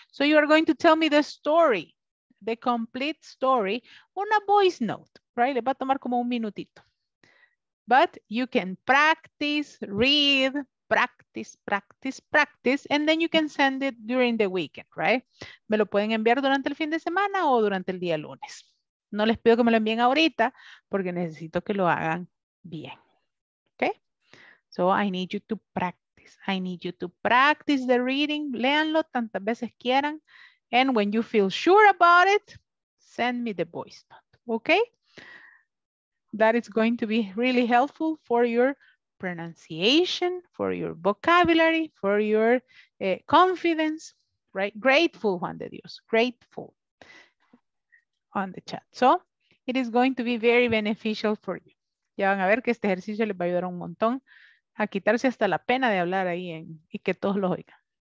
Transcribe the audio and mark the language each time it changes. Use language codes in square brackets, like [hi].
[en] So you are going to tell me the story, the complete story, on a voice note, right? [es] Le va a tomar como un minutito. [en] But you can practice, read, practice, practice, practice, and then you can send it during the weekend, right? [es] Me lo pueden enviar durante el fin de semana o durante el día lunes. No les pido que me lo envíen ahorita porque necesito que lo hagan bien. [en] Okay? So I need you to practice. I need you to practice the reading. [es] Léanlo tantas veces quieran. [en] And when you feel sure about it, send me the voice note. Okay? That is going to be really helpful for your pronunciation, for your vocabulary, for your confidence, right? Grateful, Juan de Dios, grateful on the chat. So it is going to be very beneficial for you. [es] Ya van a ver que este ejercicio les va a ayudar un montón a quitarse hasta la pena de hablar ahí en, y que todos lo oigan.